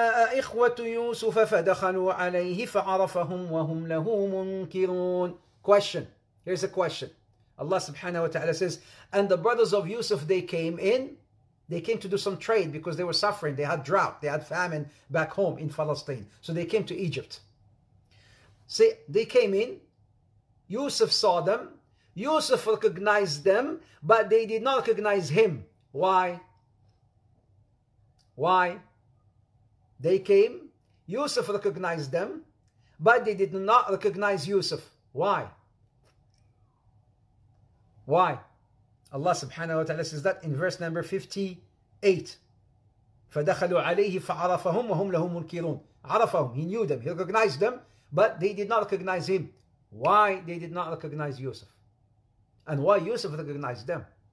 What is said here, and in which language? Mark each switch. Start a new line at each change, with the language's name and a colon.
Arabic: وَجَاءَ إِخْوَةُ يُوسُفَ فَدَخَلُوا عَلَيْهِ فَعَرَفَهُمْ وَهُمْ لَهُ مُنْكِرُونَ
English: Question. Here's a question. Allah subhanahu wa ta'ala says, and the brothers of Yusuf, they came in. They came to do some trade because they were suffering. They had drought. They had famine back home in Palestine. So they came to Egypt. See, they came in. Yusuf saw them. Yusuf recognized them, but they did not recognize him. Why? Why? They came. Yusuf recognized them, but they did not recognize Yusuf. Why? Why? Allah subhanahu wa ta'ala says that in verse number 50. 8.
Arabic: فَدَخَلُوا عَلَيْهِ فَعَرَفَهُمْ وَهُمْ لَهُمْ مُنْكِرُونَ عَرَفَهُمْ
English: He knew them. He recognized them. But they did not recognize him. Why they did not recognize Yusuf? And why Yusuf recognized them?